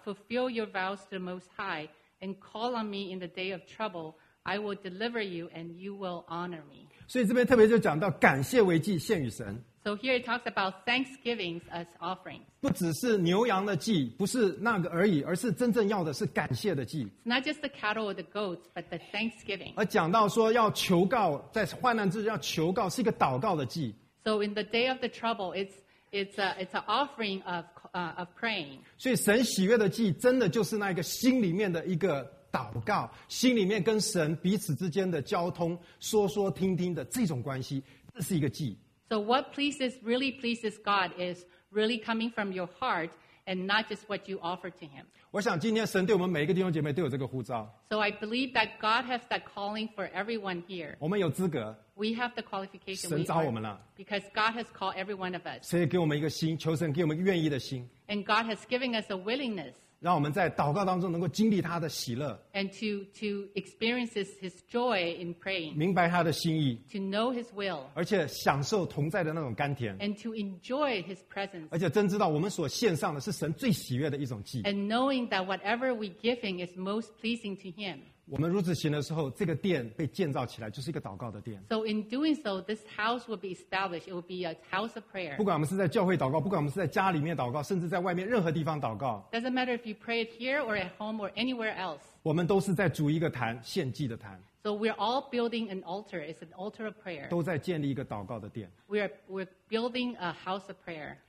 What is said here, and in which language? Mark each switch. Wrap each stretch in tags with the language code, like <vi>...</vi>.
<en>Fulfill your vows to the Most High and call on me in the day of trouble. I will deliver you and you will honor me.</en> <zh>所以这边特别就讲到感谢为祭献与神。</zh> <en>So here it talks about thanksgivings as offerings.</en> <zh>不只是牛羊的祭，不是那个而已，而是真正要的是感谢的祭。</zh> <en>It's not just the cattle or the goats, but the thanksgiving.</en> <zh>而讲到说要求告，在患难之日要求告，是一个祷告的祭。</zh> <en>So in the day of the trouble, it's an offering of praying.</en> <zh>所以神喜悦的祭，真的就是那个心里面的一个祷告，心里面跟神彼此之间的交通，说说听听的这种关系，这是一个祭。</zh> <en>So what pleases, really pleases God is really coming from your heart and not just what you offer to him.</en> <zh>我想今天神对我们每一个弟兄姐妹都有这个呼召。</zh> <en>So I believe that God has that calling for everyone here.</en> <zh>我们有资格。</zh> <en>We have the qualification.</en> <zh>神召我们了。</zh> <en>Because God has called every one of us.</en> <zh>所以给我们一个心，求神给我们愿意的心。</zh> <en>And God has given us a willingness.</en> <zh>让我们在祷告当中能够经历他的喜乐。</zh> <en>And to experience his joy in praying.</en> <zh>明白他的心意。</zh> <en>To know his will.</en> <zh>而且享受同在的那种甘甜。</zh> <en>And to enjoy his presence.</en> <zh>而且真知道我们所献上的是神最喜悦的一种祭。</zh> <en>And knowing that whatever we giving is most pleasing to him.</en> <zh>我们如此行的时候，这个殿被建造起来，就是一个祷告的殿。</zh> <en>So in doing so, this house will be established. It will be a house of prayer.</en> <zh>不管我们是在教会祷告，不管我们是在家里面祷告，甚至在外面任何地方祷告。</zh> <en>Doesn't matter if you pray it here or at home or anywhere else.</en> <zh>我们都是在筑一个坛，献祭的坛。</zh> <en>So we're all building an altar. It's an altar of prayer.</en> <zh>都在建立一个祷告的殿。</zh> <en>We're building a house of prayer.</en>